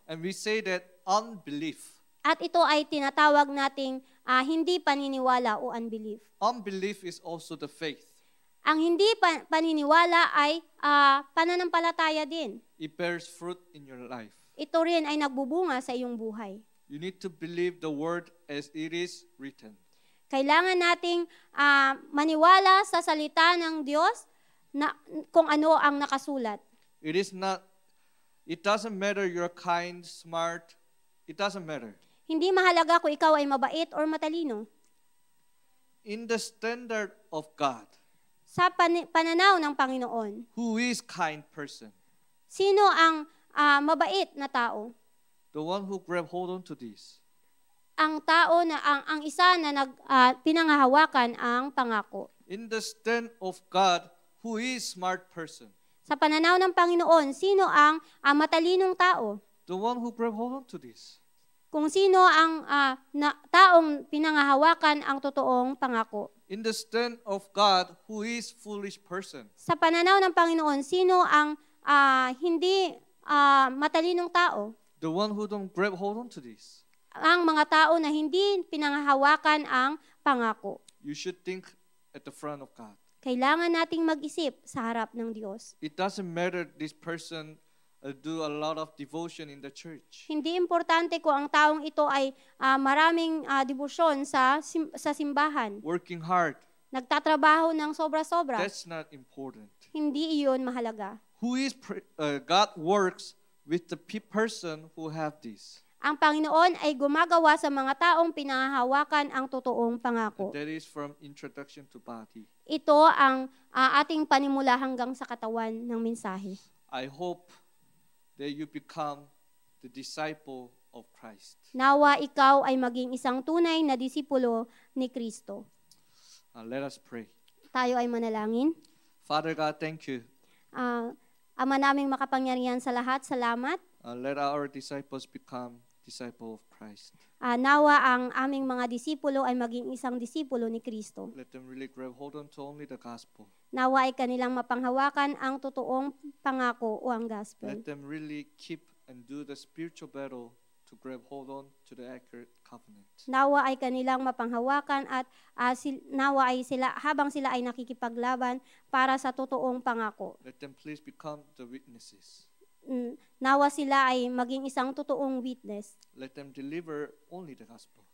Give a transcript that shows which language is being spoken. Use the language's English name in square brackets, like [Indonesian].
[English] And we say that unbelief. [Filipino] At ito ay tinatawag nating hindi paniniwala o unbelief. [English] Unbelief is also the faith. [Filipino] Ang hindi paniniwala ay pananampalataya din. [English] It bears fruit in your life. [Filipino] Ito rin ay nagbubunga sa iyong buhay. [English] You need to believe the word as it is written. [Filipino] Kailangan nating maniwala sa salita ng Diyos na kung ano ang nakasulat. [English] It doesn't matter you're kind, smart. It doesn't matter. [Filipino] Hindi mahalaga kung ikaw ay mabait or matalino. [English] In the standard of God, [Filipino] sa pananaw ng Panginoon, [English] who is kind person? [Filipino] Sino ang mabait na tao? [English] The one who grab hold on to this. [Filipino] Ang tao na ang isa na nag pinangahawakan ang pangako. [English] In the stand of God, who is smart person? [Filipino] Sa pananaw ng Panginoon, sino ang matalinong tao? [English] The one who grab hold on to this. [Filipino] Kung sino ang taong pinangahawakan ang totoong pangako. [English] In the stand of God, who is foolish person? [Filipino] Sa pananaw ng Panginoon, sino ang hindi matalinong tao? [English] The one who don't grab hold on to this. [Filipino] Ang mga tao na hindi pinangahawakan ang pangako. [English] You should think at the front of God. [Filipino] Kailangan nating mag-isip sa harap ng Diyos. [English] It doesn't matter this person do a lot of devotion in the church. [Filipino] Hindi importante kung ang taong ito ay maraming devotion sa simbahan. [English] Working hard. [Filipino] Nagtatrabaho ng sobra-sobra. [English] That's not important. [Filipino] Hindi iyon mahalaga. [English] Who is God works with the person who have this. [Filipino] Ang Panginoon ay gumagawa sa mga taong pinahahawakan ang totoong pangako. [English] And that is from introduction to body. [Filipino] Ito ang ating panimula hanggang sa katawan ng mensahe. [English] I hope that you become the disciple of Christ. [Filipino] Nawa ikaw ay maging isang tunay na disipulo ni Kristo. [English] Let us pray. [Filipino] Tayo ay manalangin. [English] Father God, thank you. [Filipino] Ama naming makapangyarihan sa lahat, salamat. [English] Let our disciples become disciple of Christ. [Filipino] Nawa ang aming mga disipulo ay maging isang disipulo ni Kristo. [English] Let them really grab hold on to only the gospel. [Filipino] Nawa ay kanilang mapanghawakan ang totoong pangako o ang gospel. [English] Let them really keep and do the spiritual battle to grab hold on to the accurate covenant. [Filipino] Nawa ay kanilang mapanghawakan at nawa ay sila habang sila ay nakikipaglaban para sa totoong pangako. [English] Let them please become the witnesses. [Filipino] Nawa sila ay maging isang totoong witness. [English] Let them deliver only the gospel.